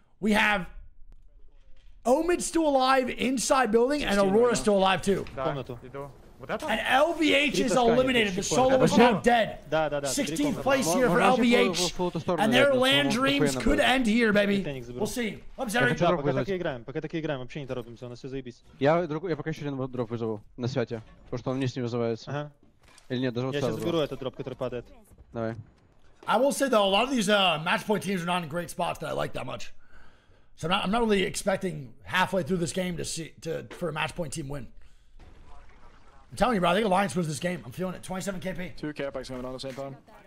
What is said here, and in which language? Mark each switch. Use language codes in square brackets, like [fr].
[en] We have Omid still alive inside building, and Aurora still alive too. And LVH is eliminated. The solo is now dead. 16th place here for LVH. And their land dreams could end here, baby. We'll see. I'm sorry. [ru] Пока так играем, вообще не торопимся, у нас все заебись. Я пока еще один дроп вызову на свете, потому что он вниз не вызывается. Или нет, даже вот сразу. Я сейчас беру этот дроп, который падает. Давай. [en] I will say though, a lot of these match point teams are not in great spots that I like that much. So I'm not really expecting halfway through this game for a match point team win. I'm telling you, bro, I think Alliance wins this game. I'm feeling it. 27 KP. Two care packs going on at the same time.